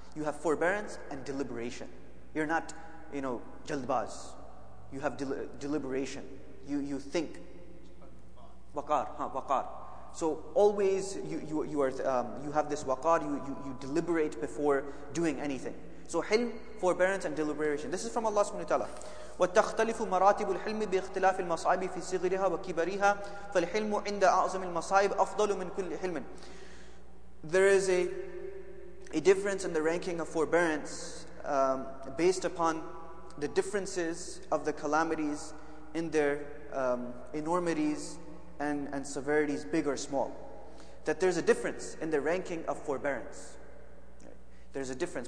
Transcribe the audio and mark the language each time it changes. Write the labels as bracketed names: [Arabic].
[English] You have forbearance and deliberation. You're not, you know, jaldbaz. You have deliberation. You think. Waqar, huh, waqar. So always you have this waqar, you deliberate before doing anything. So hilm, forbearance and deliberation. This is from Allah subhanahu wa ta'ala. [Arabic] وتختلف مراتب الحلم باختلاف المصائب في صغرها وكبرها فالحلم عند أعظم المصائب أفضل من كل حلم. [English] There is a difference in the ranking of forbearance based upon the differences of the calamities in their enormities and severities, big or small. That there's a difference in the ranking of forbearance. There's a difference.